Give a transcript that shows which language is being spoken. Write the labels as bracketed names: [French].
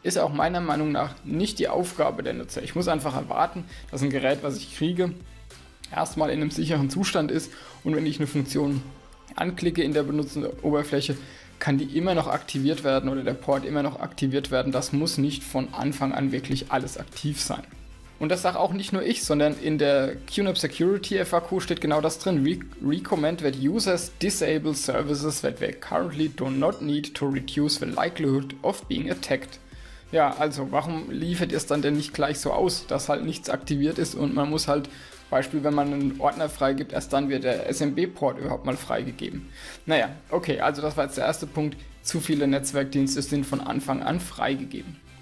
[German] Ist auch meiner Meinung nach nicht die Aufgabe der Nutzer. Ich muss einfach erwarten, dass ein Gerät, was ich kriege, erstmal in einem sicheren Zustand ist und wenn ich eine Funktion anklicke in der Benutzeroberfläche, kann die immer noch aktiviert werden oder der Port immer noch aktiviert werden. Das muss nicht von Anfang an wirklich alles aktiv sein. Und das sage auch nicht nur ich, sondern in der QNAP Security FAQ steht genau das drin. [English] Recommend that users disable services that they currently do not need to reduce the likelihood of being attacked. [German] Ja, also warum liefert ihr es dann denn nicht gleich so aus, dass halt nichts aktiviert ist und man muss halt Beispiel, wenn man einen Ordner freigibt, erst dann wird der SMB-Port überhaupt mal freigegeben. Naja, okay, also das war jetzt der erste Punkt. Zu viele Netzwerkdienste sind von Anfang an freigegeben.